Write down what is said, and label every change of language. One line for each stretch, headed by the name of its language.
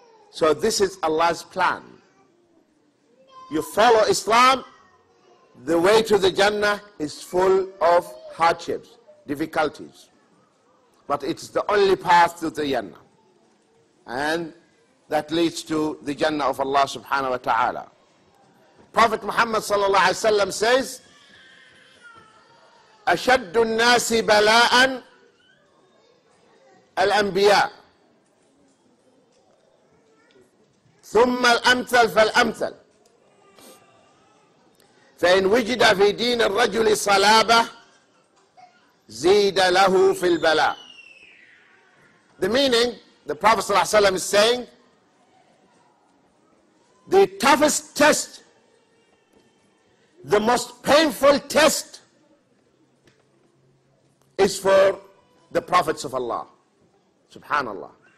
English: So this is Allah's plan. You follow Islam, the way to the Jannah is full of hardships, difficulties. But it's the only path to the Jannah. And that leads to the Jannah of Allah subhanahu wa ta'ala. Prophet Muhammad sallallahu alayhi wa sallam says,
Arabic: أشد الناس بلاء الأنبياء ثم الأمثل فالأمثل فإن وجد في دين الرجل صلابة زيد له في البلاء.
English: The meaning, the Prophet ﷺ is saying, the toughest test, the most painful test, is for the prophets of Allah, subhanallah.